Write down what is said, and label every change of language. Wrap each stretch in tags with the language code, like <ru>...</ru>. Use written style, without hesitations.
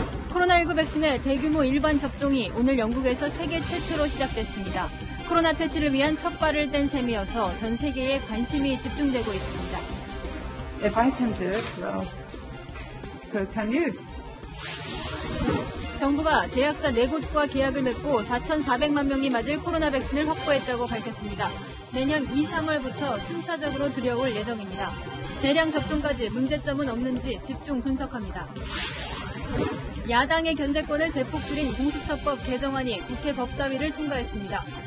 <ko>코로나19 백신의 대규모 일반 접종이 오늘 영국에서 세계 최초로 시작됐습니다. 코로나 퇴치를 위한 첫 발을 뗀 셈이어서 전 세계에 관심이 집중되고 있습니다.</ko> <en>If I can do it, well, so can you.</en> <ko>정부가 제약사 네 곳과 계약을 맺고 4,400만 명이 맞을 코로나 백신을 확보했다고 밝혔습니다. 내년 2, 3월부터 순차적으로 들여올 예정입니다. 대량 접종까지 문제점은 없는지 집중 분석합니다. 야당의 견제권을 대폭 줄인 공수처법 개정안이 국회 법사위를 통과했습니다.</ko>